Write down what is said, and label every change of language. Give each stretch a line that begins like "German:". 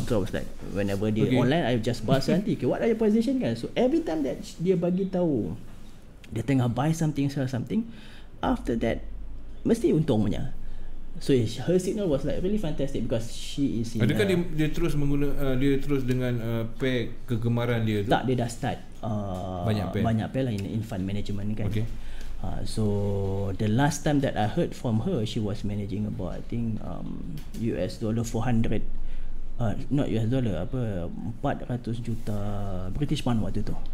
English: So I was like, whenever dia online, I just buzz nanti, okay, what are your position kan. So every time that
Malay: dia bagi tahu dia tengah
English: buy something, sell something, after that
Malay: mesti untung punya.
English: So her signal was like really fantastic, because she is in,
Malay: adakah dia terus menggunakan, dia terus dengan pair kegemaran dia tu? Tak, dia dah start banyak pair
English: lah in fund management kan. Okay. So the last time that I heard from her, she was managing about, I think US dollar 400 not US dollar, apa, 400 juta British pound waktu tu.